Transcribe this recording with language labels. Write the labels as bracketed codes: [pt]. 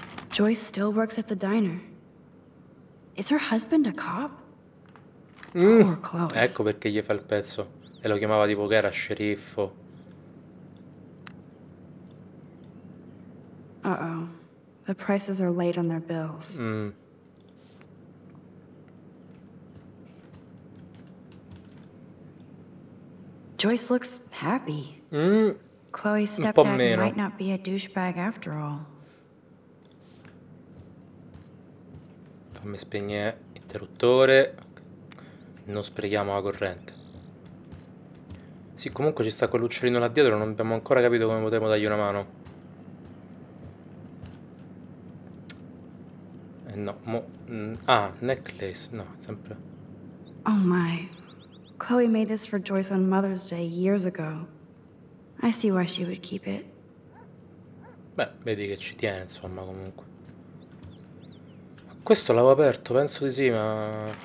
[en] Joyce still works at the diner. Is her husband a cop? Poor Chloe. [it] Ecco perché gli fa il pezzo. E lo chiamava tipo che era sceriffo. Uh-oh. [en] The prices are late on their bills. Mm. Joyce looks happy. Mm. Chloe's stepdad might not be a douchebag after all. [it] Fammi spegnere l'interruttore. Non sprechiamo la corrente. Sì, comunque ci sta quell'uccellino là dietro. Non abbiamo ancora capito come potremmo dargli una mano. No, necklace. No, sempre. [en] Oh my. Chloe made this for Joyce on Mother's Day years ago. I see why she would keep it. [it] Beh, vedi che ci tiene, insomma, comunque. Questo l'avevo aperto, penso di sì, ma.